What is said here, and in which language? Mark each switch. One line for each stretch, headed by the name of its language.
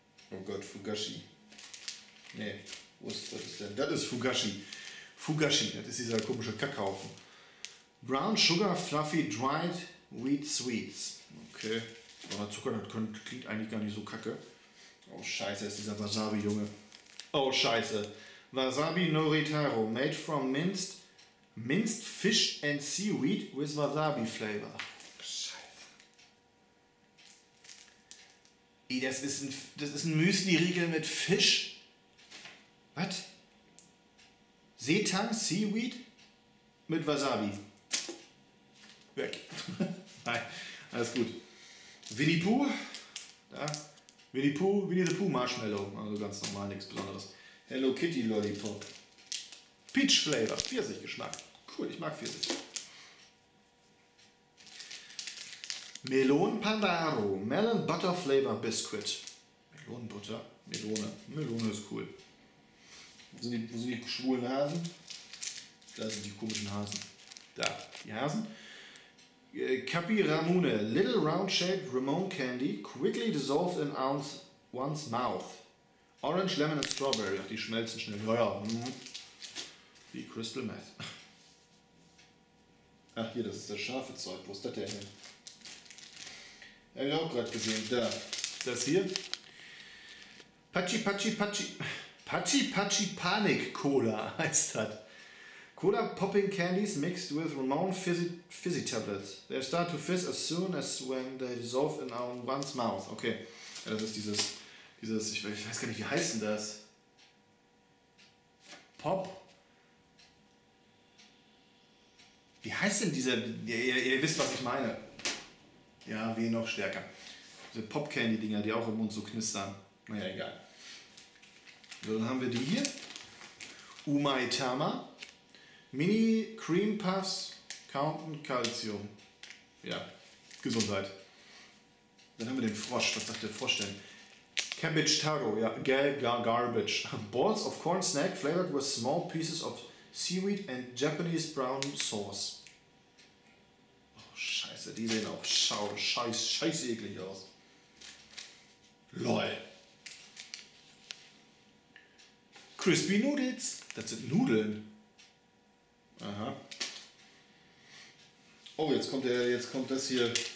German: Oh Gott, Fugashi. Nee, was ist denn? Das ist Fugashi. Fugashi, das ist dieser komische Kackhaufen.
English: Brown Sugar Fluffy Dried Wheat Sweets.
German: Okay, aber Zucker, das klingt eigentlich gar nicht so kacke. Oh Scheiße, ist dieser Wasabi-Junge. Oh Scheiße.
English: Wasabi Noritaro, made from minced fish and seaweed with wasabi flavor.
German: Scheiße. Ey, das ist ein Müsli-Riegel mit Fisch. Was? Seetang, Seaweed mit Wasabi. Weg. Nein, alles gut. Winnie Pooh. Da. Winnie Pooh, Winnie the Pooh Marshmallow. Also ganz normal, nichts Besonderes. Hello Kitty Lollipop.
English: Peach Flavor,
German: Pfirsichgeschmack. Cool, ich mag Pfirsich.
English: Melon Pandaro, Melon Butter Flavor Biscuit.
German: Melonenbutter? Melone. Melone ist cool. Wo sind die schwulen Hasen? Da sind die komischen Hasen. Da, die Hasen.
English: Capiramune, Little Round Shaped Ramon Candy, quickly dissolved in one's mouth. Orange, Lemon and Strawberry.
German: Ach, die schmelzen schnell. Ja, ja. Wie Crystal Meth. Ach, hier, das ist das scharfe Zeug. Wo ist das denn hin? Hab ich auch gerade gesehen. Da. Das hier. Patschi, patschi, patschi. Pachi Pachi Panic Cola heißt das.
English: Cola Popping Candies mixed with Ramon Fizzy Tablets. They start to fizz as soon as when they dissolve in one's mouth.
German: Okay, ja, das ist dieses, ich weiß gar nicht, wie heißen das? Pop? Wie heißt denn dieser, ihr wisst, was ich meine. Ja, wie noch stärker. Diese Pop Candy Dinger, die auch im Mund so knistern. Naja, egal. So, dann haben wir die hier.
English: Umaitama. Mini Cream Puffs Counten Calcium.
German: Ja, Gesundheit. Dann haben wir den Frosch. Was sagt der Frosch denn? Cabbage Taro. Ja, garbage.
English: Balls of Corn Snack flavored with small pieces of seaweed and Japanese brown sauce.
German: Oh, Scheiße. Die sehen auch scheiß eklig aus. LOL.
English: Crispy Noodles.
German: Das sind Nudeln. Aha. Oh, jetzt kommt der, jetzt kommt das hier.